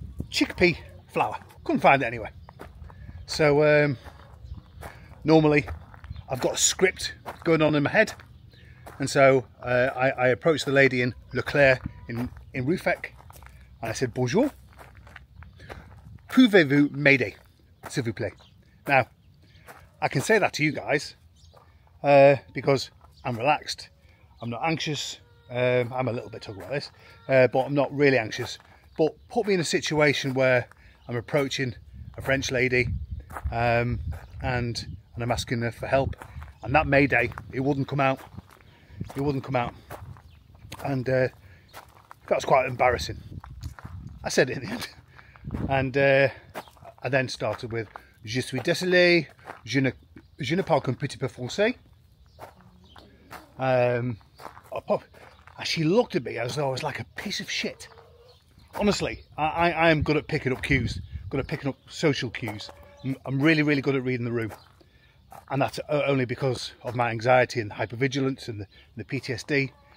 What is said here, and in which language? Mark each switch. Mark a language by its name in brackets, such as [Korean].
[English] Chickpea flour. Couldn't find it anywhere. So, normally, I've got a script going on in my head. And so I approached the lady in Leclerc in Ruffec, and I said, bonjour. [French] Pouvez-vous m'aider, s'il vous plaît? [English] Now, I can say that to you guys because I'm relaxed. I'm not anxious. I'm a little bit tug about this, but I'm not really anxious. But put me in a situation where I'm approaching a French lady and I'm asking her for help, and that Mayday, it wouldn't come out, and that was quite embarrassing. I said it in the end, and I then started with, [French] je suis désolé, je ne parle qu'un petit peu français. [English] And she looked at me as though I was like a piece of shit. Honestly, I am good at picking up cues, good at picking up social cues. I'm really, really good at reading the room. And that's only because of my anxiety and hypervigilance and the PTSD.